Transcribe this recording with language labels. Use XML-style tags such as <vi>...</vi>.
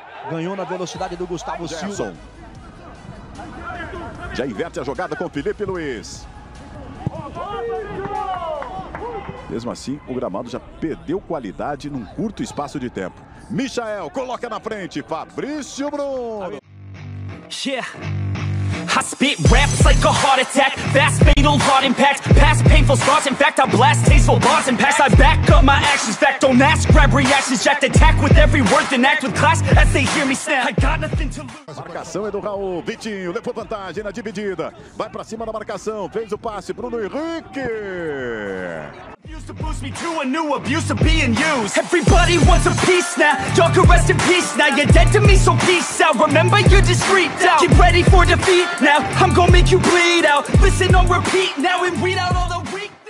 <pt>Ganhou na velocidade do Gustavo Silva. Já inverte a jogada com Felipe Luiz. Mesmo assim, o gramado já perdeu qualidade num curto espaço de tempo. Michael coloca na frente, Fabrício Bruno.</pt> <en>Yeah. I spit raps like a heart attack. Fast fatal heart impact. Past painful scars. In fact, I blast tasteful bars and pass. I back up my actions. Fact, don't ask. Grab reactions. Jacked attack with every word. Then act with class as they hear me snap. I got nothing to lose.</en> <pt>Marcação é do Raul. Vitinho levou vantagem na dividida. Vai pra cima da marcação. Fez o passe. Bruno Henrique.</pt> <en>Used to boost me to a new abuse of being used. Everybody wants a piece now. Y'all can rest in peace now. You're dead to me, so peace out. Remember, you just freaked out. Keep ready for defeat now. I'm gonna make you bleed out. Listen on repeat now and weed out all the weak.</en>